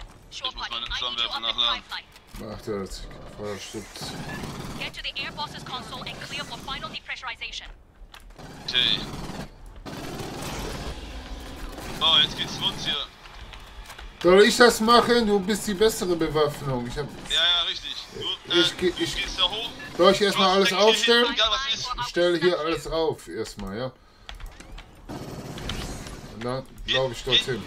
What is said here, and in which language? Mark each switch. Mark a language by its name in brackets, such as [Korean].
[German] Ich muss meine Flammenwerfer nachladen. Ach, der hat sich verschluckt. [English] Get to the Air Boss's console and clear for final depressurization. [German] Okay. Oh, jetzt geht's rund hier. Soll ich das machen? Du bist die bessere Bewaffnung. Ich hab... Ja, ja, richtig. Du, ich gehst da hoch. Soll ich erstmal alles aufstellen? Ich stelle hier alles auf, erstmal, ja. Und dann glaube ich dorthin.